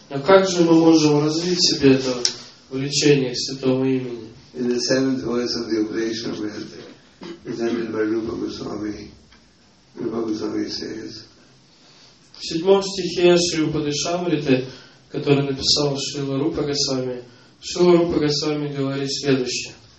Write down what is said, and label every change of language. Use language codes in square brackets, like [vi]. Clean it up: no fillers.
[ru] А как же мы можем развить себе это влечение к Святому Имени? [en] In the seventh verse of the Upadesha presented by Rupa Goswami, Rupa Goswami says, [ru] в седьмом стихе Шри Упадешамриты, который написал Шрила Рупа Госвами, Шрила Рупа Госвами говорит следующее.